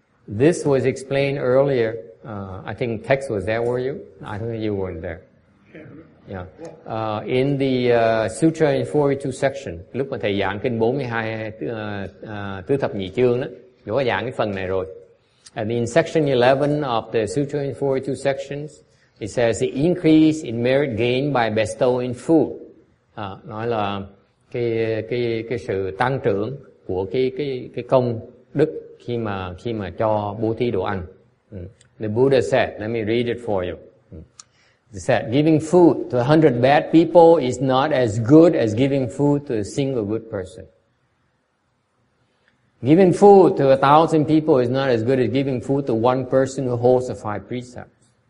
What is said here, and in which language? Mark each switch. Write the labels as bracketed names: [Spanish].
[English] This was explained earlier. I think text was there, were you? I think you weren't there. Yeah. In the Sutra in 42 section, [Vietnamese] lúc mà thầy giảng kinh 42 tứ thập nhị chương đó, đã giảng cái phần này rồi. [English] And in section 11 of the Sutra in 42 sections, it says the increase in merit gained by bestowing food. [Vietnamese] Nói là cái sự tăng trưởng của cái công đức khi mà cho bố thí đồ ăn. [English] The Buddha said, let me read it for you. He said, giving food to 100 bad people is not as good as giving food to a single good person. Giving food to 1,000 people is not as good as giving food to one person who holds the 5 precepts.